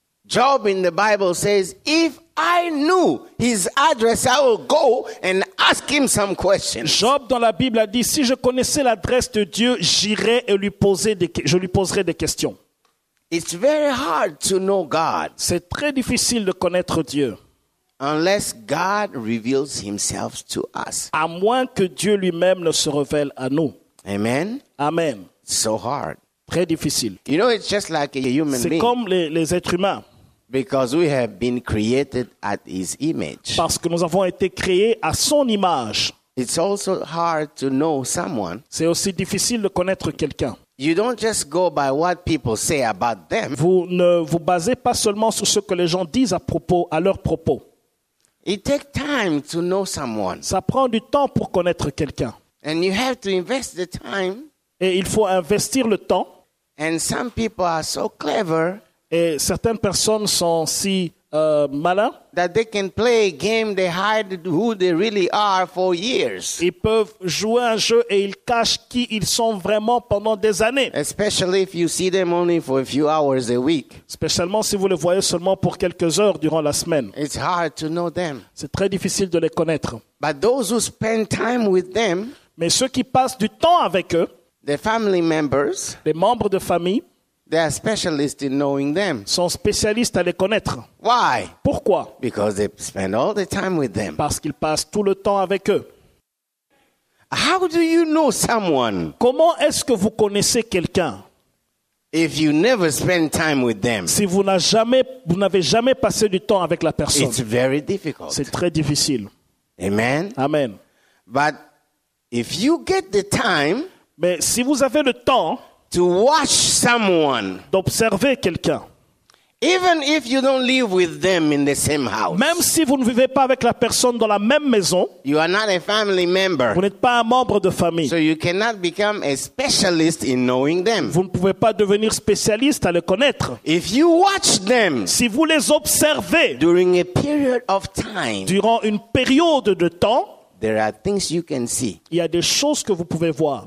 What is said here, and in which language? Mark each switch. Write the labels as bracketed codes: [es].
[en] Job in the Bible says, if I knew his address, I will go and ask him some questions. [fr] Job dans la Bible a dit, si je connaissais l'adresse de Dieu, j'irais et je lui poserais des questions. [en] It's very hard to know God. [fr] C'est très difficile de connaître Dieu. [en] Unless God reveals himself to us. [fr] À moins que Dieu lui-même ne se révèle à nous. [en] Amen. [fr] Amen. [en] So hard. [fr] Très difficile. [en] You know, it's just like a human [fr] being. C'est comme les êtres humains. [en] Because we have been created at his image. [fr] Parce que nous avons été créés à son image. [en] It's also hard to know someone. [fr] C'est aussi difficile de connaître quelqu'un. [en] You don't just go by what people say about them. [fr] Vous ne vous basez pas seulement sur ce que les gens disent à leur propos. [en] It takes time to know someone. [fr] Ça prend du temps pour connaître quelqu'un. [en] And you have to invest the time. [fr] Et il faut investir le temps. [en] And some people are so clever. [fr] Et certaines personnes sont si malins. [en] That they can play a game, they hide who they really are for years. [fr] Ils peuvent jouer un jeu et ils cachent qui ils sont vraiment pendant des années. [en] Especially if you see them only for a few hours a week. [fr] Spécialement si vous les voyez seulement pour quelques heures durant la semaine. [en] It's hard to know them. [fr] C'est très difficile de les connaître. [en] But those who spend time with them. [fr] Mais ceux qui passent du temps avec eux. [en] The family members, [fr] les membres de famille, [en] they are specialists in knowing them. [fr] Sont spécialistes à les connaître. [en] Why? [fr] Pourquoi? [en] Because they spend all the time with them. [fr] Parce qu'ils passent tout le temps avec eux. [en] How do you know someone? [fr] Comment est-ce que vous connaissez quelqu'un? [en] If you never spend time with them. [fr] Si vous n'avez jamais passé du temps avec la personne. [en] It's very difficult. [fr] C'est très difficile. [en] Amen. [fr] Amen. [en] But if you get the time. [fr] Mais si vous avez le temps [en] to watch someone, [fr] d'observer quelqu'un, [en] even if you don't live with them in the same house, [fr] même si vous ne vivez pas avec la personne dans la même maison, [en] you are not a family member, [fr] vous n'êtes pas un membre de famille, [en] so you cannot become a specialist in knowing them. [fr] Vous ne pouvez pas devenir spécialiste à les connaître. [en] If you watch them, [fr] si vous les observez, [en] during a period of time, [fr] durant une période de temps, [en] there are things you can see. [fr] Il y a des choses que vous pouvez voir.